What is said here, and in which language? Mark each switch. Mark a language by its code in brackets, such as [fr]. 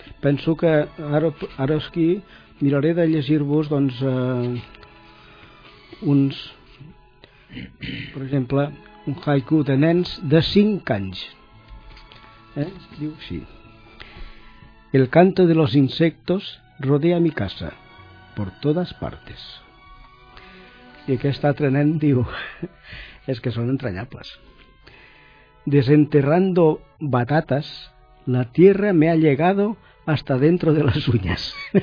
[ca] Penso que ara aquí miraré de llegir-vos doncs, uns, per exemple, un haiku de nens de 5 anys. Diu així: [es] El canto de los insectos rodea mi casa por todas partes. [ca] I aquest altre nen diu: és que són entranyables. [es] Desenterrando batatas, la tierra me ha llegado hasta dentro de las uñas.